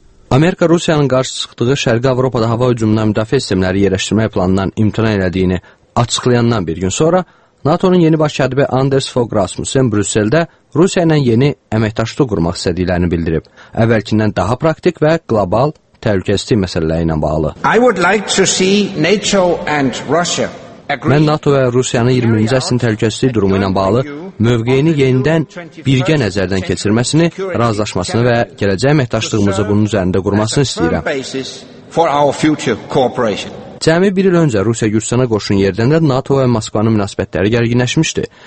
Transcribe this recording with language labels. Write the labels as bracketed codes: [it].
[az] Amerika Rusiyanın qarşı çıxdığı Şərqi Avropada hava hücumundan müdafiə sistemləri yerləşdirmək planından imtina elədiyini açıqlayandan bir gün sonra NATO-nun yeni baş katibi Anders Fogh Rasmussen Brüsseldə Rusiya ilə yeni əməkdaşlıq qurmaq istədiklərini bildirib. Əvvəlkindən daha praktik və qlobal təhlükəsizlik məsələləri ilə bağlı. [en] I would like to see NATO and Russia [az] Mən NATO və Rusiyanın 20-ci əsrin təhlükəsizlik durumu ilə bağlı mövqeyini yenidən birgə nəzərdən keçirməsini, razılaşmasını və gələcək əməkdaşlığımızı bunun üzərində qurmasını istəyirəm. Cəmi bir il öncə Rusiya Gürcüstana qoşun yerdən də NATO və Moskvanın münasibətləri gərginləşmişdi.